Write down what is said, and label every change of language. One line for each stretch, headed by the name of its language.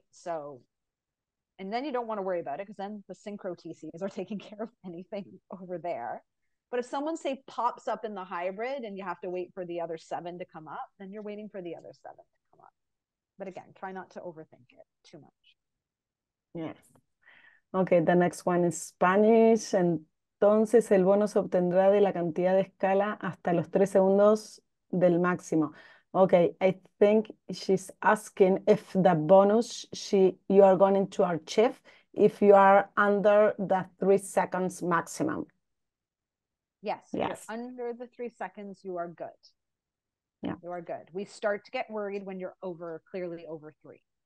English: So, and then you don't want to worry about it because then the synchro TCs are taking care of anything over there. But if someone, say, pops up in the hybrid and you have to wait for the other seven to come up, then you're waiting for the other seven to come up. But again, try not to overthink it too much. Yes. Okay, the next one is Spanish.
Spanish: Entonces, el bono se obtendrá de la cantidad de escala hasta los 3 segundos del máximo.
English: Okay, I think she's asking if the bonus you are going to achieve if you are under the 3 seconds maximum. Yes, yes. You're under the 3 seconds, you are good. Yeah. You are good. We start to get worried when you're over, clearly over three.